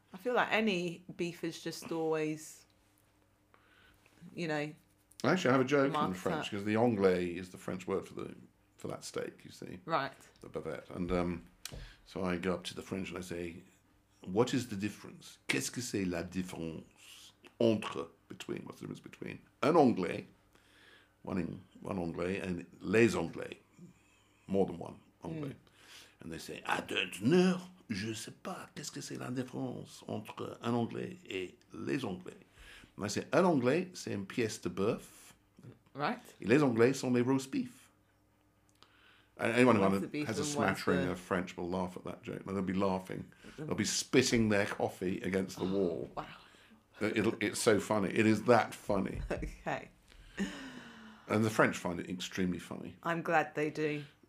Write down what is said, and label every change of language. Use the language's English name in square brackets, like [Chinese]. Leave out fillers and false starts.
[English] I feel like any beef is just always, you know... Actually, I have a joke in French, because the anglais is the French word for that steak, you see. Right. The Bavette. And so I go up to the French and I say, what is the difference? [French] Qu'est-ce que c'est la différence entre, [English] between, what's the difference between an anglais, one anglais, and les anglais, more than one anglais. Mm. And they say, I don't know, [French] je sais pas, qu'est-ce que c'est la différence entre un anglais et les anglais? [English] And I say, [French] un anglais, c'est une pièce de bœuf. [English] Right. [French] Et les anglais sont les roast beef. [English] Anyone who has a smattering of French will laugh at that joke. They'll be laughing. They'll be spitting their coffee against the wall. Wow. It's so funny. It is that funny. Okay. And the French find it extremely funny. I'm glad they do.